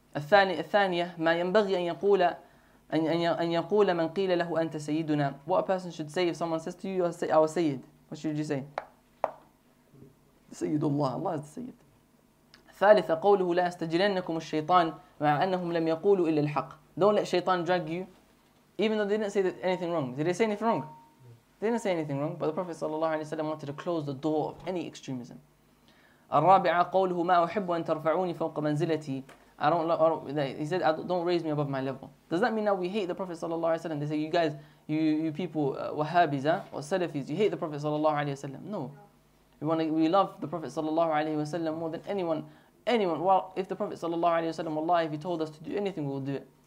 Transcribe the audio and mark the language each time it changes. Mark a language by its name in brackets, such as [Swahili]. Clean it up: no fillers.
[Arabic] الثانية, ما ينبغي أن يقول من قيل له أنت سيدنا. [English] What a person should say if someone says to you, our Sayyid. What should you say? [Arabic] سيد الله, [English] Allah is the Sayyid. [Arabic] ثالثة, قوله لا يستجننكم الشيطان مع أنهم لم يقولوا إلا الحق. [English] Don't let shaitan drag you, even though they didn't say anything wrong. Did they say anything wrong? They didn't say anything wrong, but the Prophet صلى الله عليه وسلم wanted to close the door of any extremism. [Arabic] الرابعة قوله ما أحب أن ترفعوني فوق منزلتي. [English] He said, don't raise me above my level. Does that mean now we hate the Prophet صلى الله عليه وسلم? They say, you guys, you people, Wahhabis, or Salafis, you hate the Prophet صلى الله عليه وسلم. No. We love the Prophet صلى الله عليه وسلم more than anyone. Well, if the Prophet صلى الله عليه وسلم, Allah, if he told us to do anything, we'll do it.